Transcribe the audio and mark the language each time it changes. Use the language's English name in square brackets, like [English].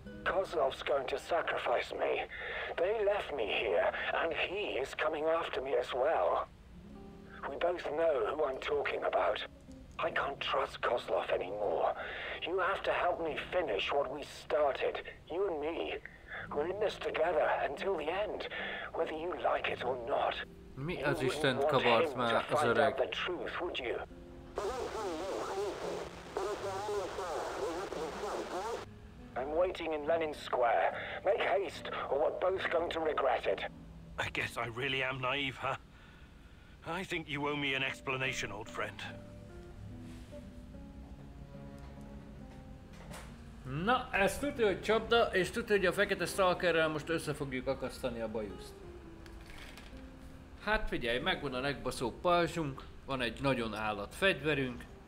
[English] Kozlov's going to sacrifice me. They left me here, and he is coming after me as well. We both know who I'm talking about. I can't trust Kozlov anymore. You have to help me finish what we started, you and me. We're in this together until the end, whether you like it or not. [Hungarian] Mi az Isten kavart már az öreg? [English] Find out the truth, would you? I'm waiting in Lenin Square. Make haste, or we're both going to regret it. I guess I really am naive, huh? I think you owe me an explanation, old friend. [Hungarian] Na, ez tudja, hogy csapda, és tudja, hogy a fekete stalkerrel most össze fogjuk akasztani a bajuszt. Hát figyelj, megvan a legbaszóbb pajzsunk, van egy nagyon állat fegyverünk.